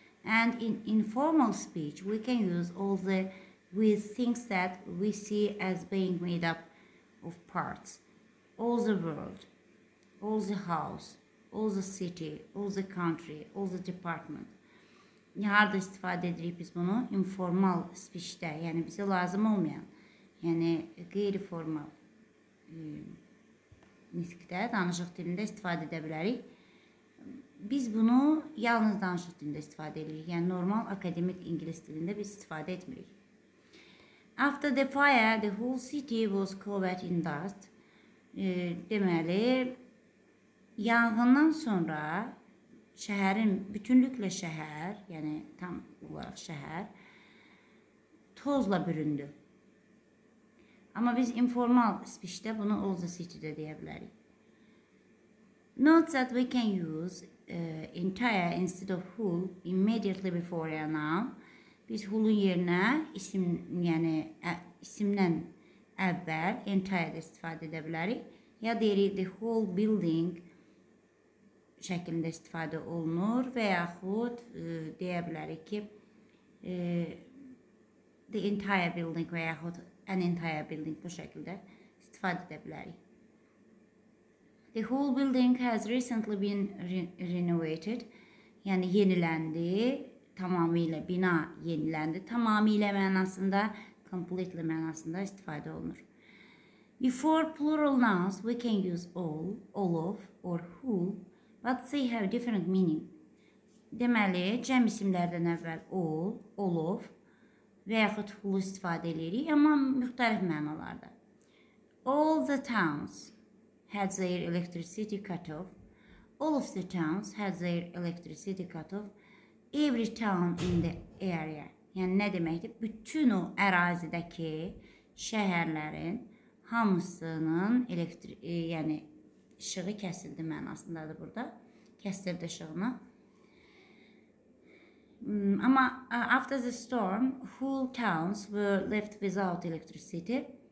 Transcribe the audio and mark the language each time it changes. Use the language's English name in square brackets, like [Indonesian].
[English] And in informal speech we can use all the with things that we see as being made up of parts. All the world, all the house, all the city, all the country, all the department. [Azerbaijani] Harada istifadə edirik biz bunu? Informal speech-də, yəni bizə lazım olmayan, yəni qeyri-formal nitqdə, danışıq dilində istifadə edə bilərik. Biz bunu yalnız danışıq dilində istifadə edirik, yəni normal akademik ingilis dilində biz istifadə etmirik. [English] After the fire, the whole city was covered in dust. [Azerbaijani] Deməli, yanğından sonra şəhərin, bütünlüklə şəhər, yəni tam olaraq şəhər, tozla büründü. Amma biz informal speech-də bunu [English] all the city- [Azerbaijani] də deyə bilərik. [English] Note that we can use entire instead of whole immediately before a noun. [Azerbaijani] Biz whole-un yerinə isim, yəni isimdən əvvəl entire-də istifadə edə bilərik. Ya deyirik, [English] the whole building [Azerbaijani] şəklində istifadə olunur və yaxud deyə bilərik ki, [English] the entire building [Azerbaijani] və yaxud [English] an entire building [Azerbaijani] bu şəkildə istifadə edə bilərik. [English] The whole building has recently been renovated, [Azerbaijani] yəni yeniləndi, tamamilə bina yeniləndi, tamamilə mənasında, completely mənasında istifadə olunur. [English] Before plural nouns, we can use all of, or who, but they have different meaning. [Azerbaijani] Deməli, cəm isimlərdən əvvəl all of və yaxud who istifadə edirik, amma müxtəlif mənalarda. [English] All the towns had their electricity cut off. All of the towns had their electricity cut off. Every town in the area. [Azerbaijani] Yəni, nə deməkdir? Bütün o ərazidəki şəhərlərin hamısının yəni işığı kəsildi mənasındadır burada. Kəsildi işığını. Amma [English] after the storm, whole towns were left without electricity.